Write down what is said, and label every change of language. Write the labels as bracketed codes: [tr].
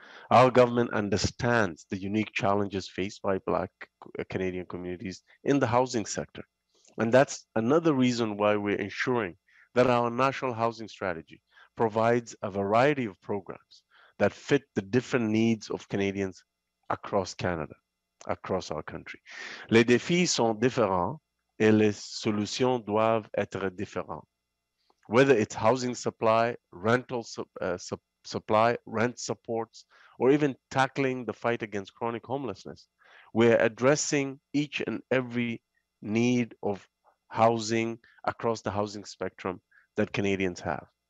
[en] Our government understands the unique challenges faced by Black Canadian communities in the housing sector. And that's another reason why we're ensuring that our national housing strategy provides a variety of programs that fit the different needs of Canadians across Canada, across our country. [fr] Les défis sont différents et les solutions doivent être différentes. [en] Whether it's housing supply, rental supply, rent supports, or even tackling the fight against chronic homelessness, we're addressing each and every need of housing across the housing spectrum that Canadians have.